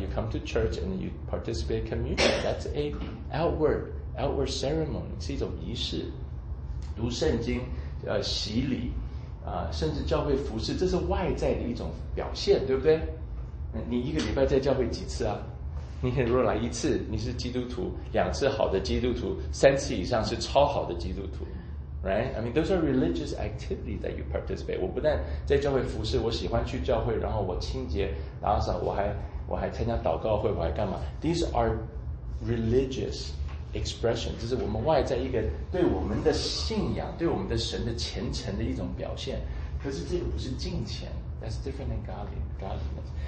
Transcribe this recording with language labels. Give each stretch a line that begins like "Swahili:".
English: You come to church and you participate in communion. That's a outward ceremony,
Chinese: 是一种仪式。读圣经洗礼甚至教会服事，这是外在的一种表现，对不对？你一个礼拜在教会几次啊？你如果来一次你是基督徒，两次好的基督徒，三次以上是超好的基督徒。
English: Right? I mean, those are religious activities that you participate.
Chinese: 我不但在教会服事，我喜欢去教会，然后我清洁打扫，我还参加祷告会，我还干嘛？
English: These are religious expression.
Chinese: 这是我们外在一个对我们的信仰，对我们的神的虔诚的一种表现。可是这个不是敬虔。
English: That's different than godliness.